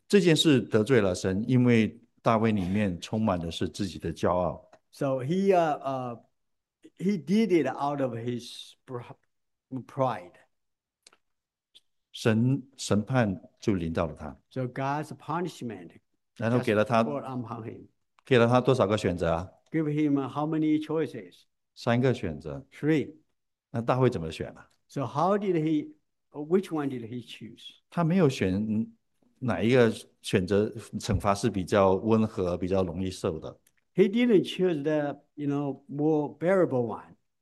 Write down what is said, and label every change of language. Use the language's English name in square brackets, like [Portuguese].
[Chinese] 这件事得罪了神，因为大卫里面充满的是自己的骄傲。 [English] So he he did it out of his pride. [Chinese] 审判就临到了他。 [English] So God's punishment [Chinese] 然后给了他, [English] just brought upon him. [Chinese] 给了他多少个选择啊? [English] Give him how many choices? [Chinese] 三个选择。 [English] Three. [Chinese] 那大卫怎么选啊? [English] So how did he, which one did he choose? [Chinese] 他没有选。哪一个选择惩罚是比较温和、比较容易受的？ [English] He didn't choose the, more bearable one.